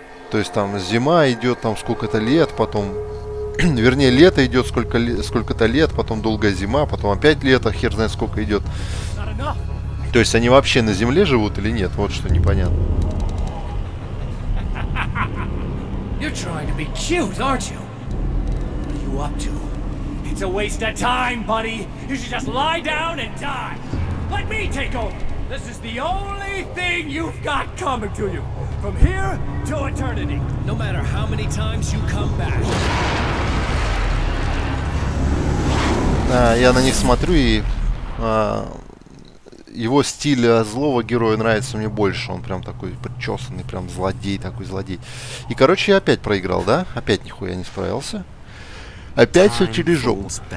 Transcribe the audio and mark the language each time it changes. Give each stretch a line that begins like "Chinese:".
Russian: То есть там зима идет, там сколько-то лет, потом... Вернее, лето идет сколько-то лет, потом долгая зима, потом опять лето, хер знает сколько идет. То есть они вообще на земле живут или нет? Вот что непонятно.
English: You're trying to be cute, aren't you? What are you up to? It's a waste of time, buddy. You should just lie down and die. Let me take over. This is the only thing you've got coming to you. From here to eternity. No matter how many times you come back.
Russian: Я на них смотрю, и его стиль злого героя нравится мне больше. Он прям такой причесанный, прям злодей, такой злодей. И, короче, я опять проиграл, да? Опять нихуя не справился. Опять все через жопу.